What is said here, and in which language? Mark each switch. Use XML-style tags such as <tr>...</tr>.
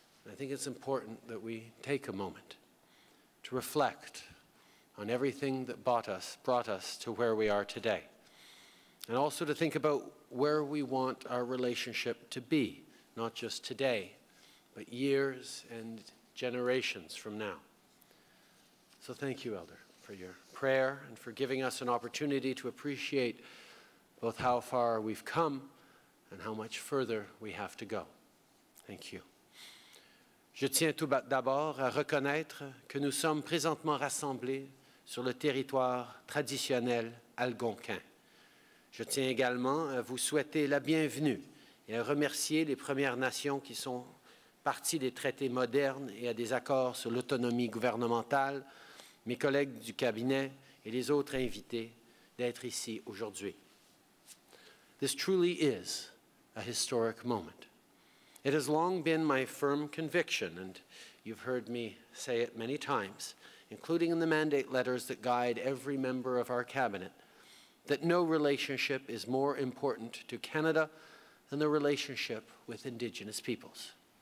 <en>I think it's important that we take a moment to reflect on everything that brought us to where we are today, and also to think about where we want our relationship to be, not just today, but years and generations from now. So thank you, Elder, for your prayer and for giving us an opportunity to appreciate both how far we've come and how much further we have to go. Thank you.</en> <fr>Je tiens tout d'abord à reconnaître que nous sommes présentement rassemblés sur le territoire traditionnel algonquin. Je tiens également à vous souhaiter la bienvenue et à remercier les Premières Nations qui sont parties des traités modernes et à des accords sur l'autonomie gouvernementale, mes collègues du cabinet et les autres invités d'être ici aujourd'hui.</fr> <en>This truly is a historic moment. It has long been my firm conviction, and you've heard me say it many times, including in the mandate letters that guide every member of our cabinet, that no relationship is more important to Canada than the relationship with Indigenous peoples.</en>